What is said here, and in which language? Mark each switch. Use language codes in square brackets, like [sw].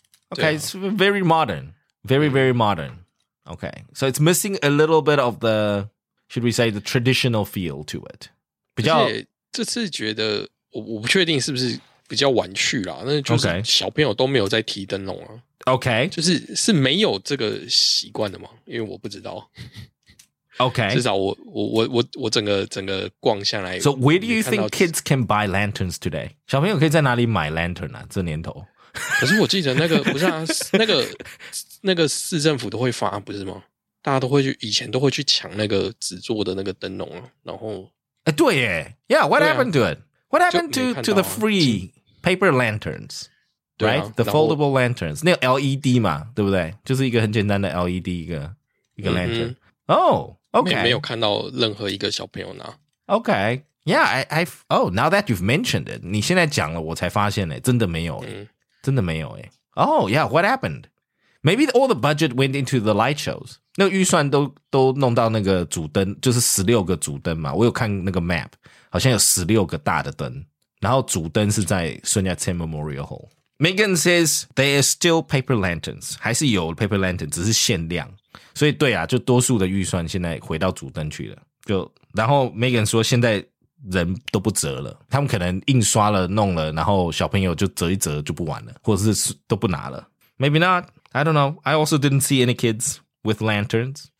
[en] okay,、啊、it's very modern, very, very modern. Okay, so it's missing a little bit of the, should we say, the traditional feel to it. [zh] 比较这次觉得 我不确定是不是比较晚去啦，那就是小朋友都没有在提灯笼啊。 [en] Okay, [zh] 就是是没有这个习惯的吗？因为我不知道。 [en] Okay, [zh] 至少我整个逛下来。 [en] So where do you think kids can buy lanterns today? [zh] 小朋友可以在哪里买 lantern 啊？这年头。可是我记得那个不是啊，那个市政府都会发不是吗？大家都会去，以前都会去抢那个纸做的那个灯笼啊。然后，哎，对耶 [en] ，Yeah, what happened to it? What happened to the free paper lanterns? Right, the foldable lanterns, [zh] 那个 LED 嘛，对不对？就是一个很简单的 LED 一个 [en] lantern。Oh, okay. [zh] 没有看到任何一个小朋友拿。 [en] Okay, yeah, oh, now that you've mentioned it, [zh] 你现在讲了我才发现真的没有真的没有耶。 [en] Oh, yeah, what happened? Maybe all the budget went into the light shows. [zh] 那预算都弄到那个主灯，就是16个主灯嘛。我有看那个 map, 好像有16个大的灯。然后主灯是在孙亚千 [en] Memorial Hall. Megan says, there are still paper lanterns. [zh] 还是有 paper lanterns, 只是限量。所以对啊，就多数的预算现在回到主灯去了。就然后 Megan 说，现在人都不折了，他们可能印刷了弄了，然后小朋友就折一折就不玩了，或者是都不拿了。 [en] Maybe not. I don't know. I also didn't see any kids with lanterns.